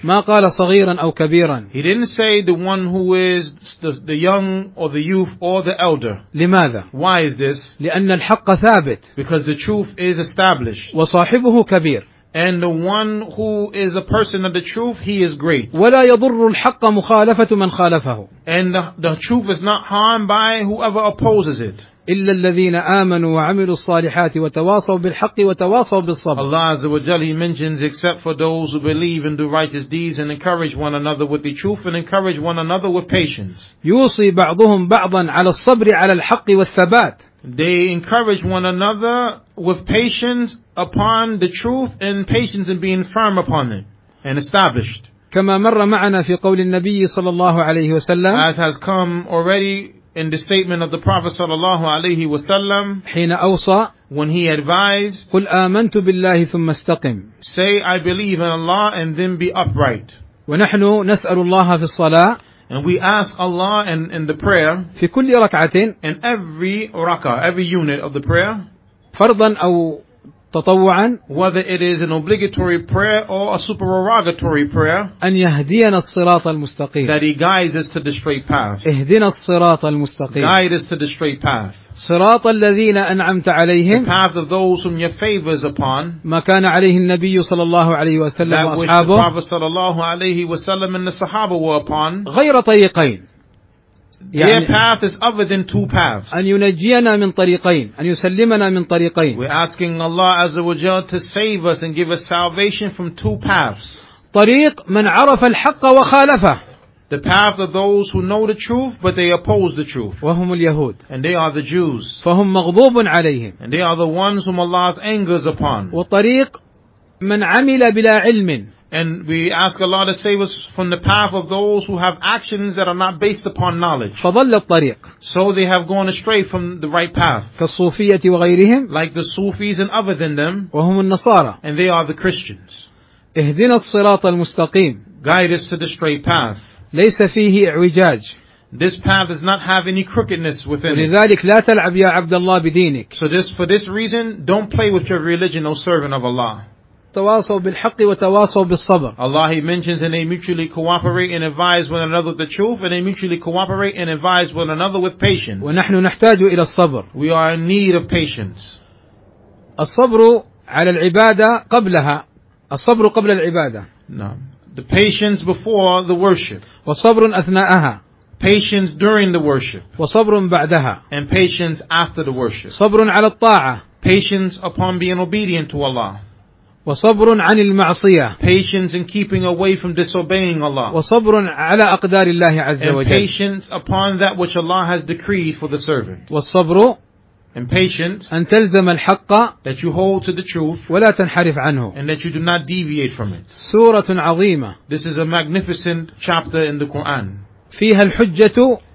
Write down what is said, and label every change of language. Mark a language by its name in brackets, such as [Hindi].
[Arabic] ما قال صغيرا أو كبيرا. [English] He didn't say the one who is the young or the youth or the elder. [Arabic] لماذا? [English] Why is this? [Arabic] لأن الحق ثابت. [English] Because the truth is established. [Arabic] وصاحبه كبير. [English] And the one who is a person of the truth, he is great. [Arabic] ولا يضر الحق مخالفة من خالفه. [English] And the truth is not harmed by whoever opposes it. [Arabic] إلا الذين آمنوا وعملوا الصالحات وتواصوا بالحق وتواصوا بالصبر. [English] Allah Azza wa Jalla, he mentions, except for those who believe and do righteous deeds and encourage one another with the truth and encourage one another with patience. [Arabic] يوصي بعضهم بعضا على الصبر على الحق والثبات. [English] They encourage one another with patience upon the truth and patience in being firm upon it and established. [Arabic] كما مر معنا في قول النبي صلى الله عليه وسلم. [English] As has come already in the statement of the Prophet [Arabic] صلى الله عليه وسلم. حين أوصى. [English] When he advised. [Arabic] قل آمنت بالله ثم استقم. [English] Say I believe in Allah and then be upright. [Arabic] ونحن نسأل الله في الصلاة. [English] And we ask Allah in the prayer. [Arabic] في كل ركعة. [English] In every rakah, every unit of the prayer. [Arabic] فرضا أو تطوعا. [English] Whether it is an obligatory prayer or a supererogatory prayer. [Arabic] أن يهدينا الصراط المستقيم. [English] That he guides us to the straight path. [Arabic] اهدنا الصراط المستقيم. [English] Guide us to the straight path. [Arabic] صراط الذين أنعمت عليهم. [English] The path of those whom your favors upon. [Arabic] ما كان عليه النبي صلى الله عليه وسلم [English] that [Arabic] وأصحابه. [English] That which the Prophet [Arabic] صلى الله عليه وسلم [English] and the Sahaba were upon. [Arabic] غير طريقين. [English] Their يعني path is other than two paths. [Arabic] أن ينجينا من طريقين، أن يسلمنا من طريقين. [English] We're asking Allah Azza wa Jalla to save us and give us salvation from two paths. [Arabic] طريق من عرف الحق وخالفه. [English] The path of those who know the truth but they oppose the truth. [Arabic] وهم اليهود. [English] And they are the Jews. [Arabic] فهم مغضوب عليهم. [English] And they are the ones whom Allah's anger is upon. [Arabic] وطريق من عمل بلا علم. [English] And we ask Allah to save us from the path of those who have actions that are not based upon knowledge. [Arabic] فضل الطريق. [English] So they have gone astray from the right path. [Arabic] كالصوفية وغيرهم. [English] Like the Sufis and other than them. [Arabic] وهم النصارى. [English] And they are the Christians. [Arabic] اهدنا الصراط المستقيم. [English] Guide us to the straight path. [Arabic] ليس فيه اعوجاج. [English] This path does not have any crookedness within it. [Arabic] لذلك لا تلعب يا عبد الله بدينك. [English] So just for this reason, don't play with your religion, O servant of Allah. [Arabic] تواصوا بالحق وتواصوا بالصبر. [English] Allah he mentions and they mutually cooperate and advise one another with the truth and they mutually cooperate and advise one another with patience. [Arabic] ونحن نحتاج إلى الصبر. [English] We are in need of patience. [Arabic] الصبر على العبادة قبلها. الصبر قبل العبادة. نعم. [English] The patience before the worship. [Arabic] وصبر أثناءها. [English] Patience during the worship. [Arabic] وصبر بعدها. [English] And patience after the worship. [Arabic] صبر على الطاعة. [English] Patience upon being obedient to Allah. [Arabic] وصبر عن المعصية. [English] Patience in keeping away from disobeying Allah. [Arabic] وصبر على أقدار الله عز وجل. [English] And patience upon that which Allah has decreed for the servant. [Arabic] والصبر. [English] And patience. [Arabic] أن تلزم الحق. [English] That you hold to the truth. [Arabic] ولا تنحرف عنه. [English] And that you do not deviate from it. [Arabic] سورة عظيمة. [English] This is a magnificent chapter in the Quran. [Arabic] فيها الحجة.